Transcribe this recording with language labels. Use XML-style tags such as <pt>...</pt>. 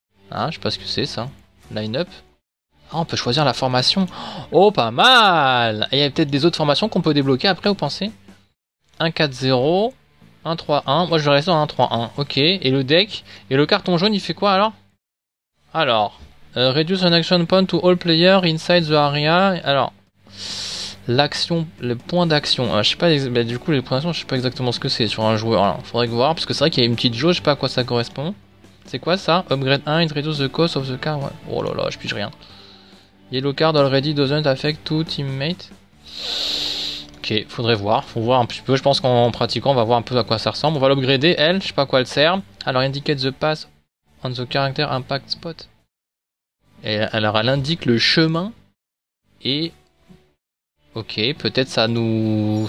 <fr>Hein, je sais pas ce que c'est, ça, line-up. Ah, on peut choisir la formation. Oh, pas mal! Et il y a peut-être des autres formations qu'on peut débloquer après, vous pensez? 1-4-0, 1-3-1. Moi, je vais rester en 1-3-1. Ok. Et le deck? Et le carton jaune, il fait quoi alors? Alors.</fr> <en>Reduce an action point to all players inside the area.</en> <fr>Alors. L'action. Le point d'action. Je sais pas. Bah, du coup, les points d'action, je sais pas exactement ce que c'est sur un joueur. Alors, faudrait que voir. Parce que c'est vrai qu'il y a une petite jauge. Je sais pas à quoi ça correspond. C'est quoi ça?</fr> <en>Upgrade 1, it reduce the cost of the car.</en> <fr>Ouais. Oh là là, je pige rien.</fr> <en>Yellow card already doesn't affect two teammates.</en> <fr>Ok, faudrait voir. Faut voir un petit peu. Je pense qu'en pratiquant, on va voir un peu à quoi ça ressemble. On va l'upgrader, elle. Je sais pas à quoi elle sert.</fr> <en>Alors, indicate the path on the character impact spot.</en> <fr>Et, alors, elle indique le chemin. Et. Ok, peut-être ça nous.</fr>